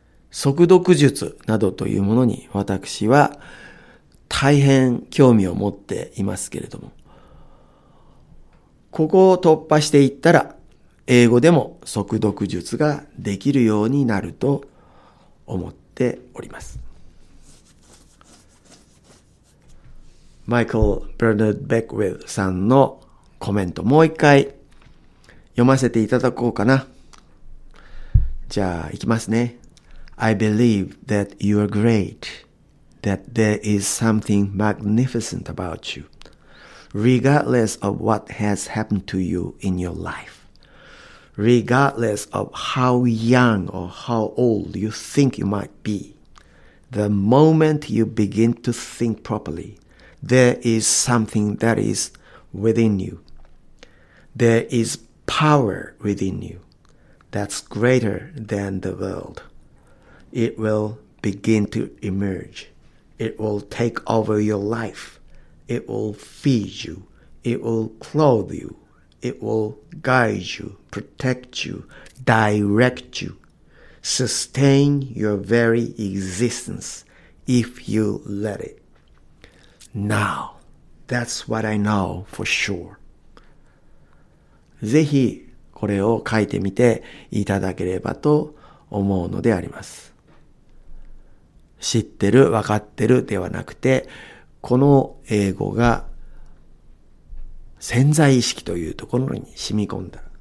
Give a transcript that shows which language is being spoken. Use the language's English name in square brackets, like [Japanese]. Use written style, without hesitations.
[Japanese] 速読術などというものに私は大変興味を持っていますけれども、ここを突破していったら英語でも速読術ができるようになると思っております。マイケル・ブラッド・ベックウィルさんのコメント、もう一回読ませていただこうかな。じゃあ行きますね。 [English] I believe that you are great, that there is something magnificent about youRegardless of what has happened to you in your life, regardless of how young or how old you think you might be, the moment you begin to think properly, there is something that is within you. There is power within you that's greater than the world. It will begin to emerge. It will take over your life. It will feed you, it will clothe you, it will guide you, protect you, direct you, sustain your very existence if you let it. Now, that's what I know for sure. [Japanese] ぜひこれを書いてみていただければと思うのであります。知ってる、分かってるではなくて、この英語が潜在意識というところに染み込んだ。